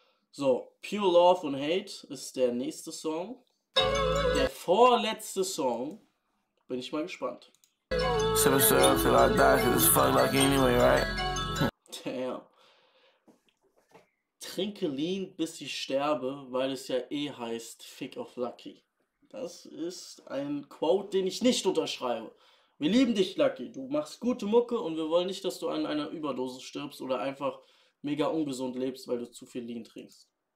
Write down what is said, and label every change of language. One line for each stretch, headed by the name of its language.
German: So, Pure Love and Hate ist der nächste Song. Der vorletzte Song. Bin ich mal gespannt.
English: Sippin' syrup till I die, cause it's fucked like anyway, right? Damn.
German: trinke Lean, bis ich sterbe, weil es ja eh heißt Fick of Lucky. Das ist ein Quote, den ich nicht unterschreibe. Wir lieben dich, Lucky. Du machst gute Mucke und wir wollen nicht, dass du an einer Überdosis stirbst oder einfach mega ungesund lebst, weil du zu viel Lean trinkst.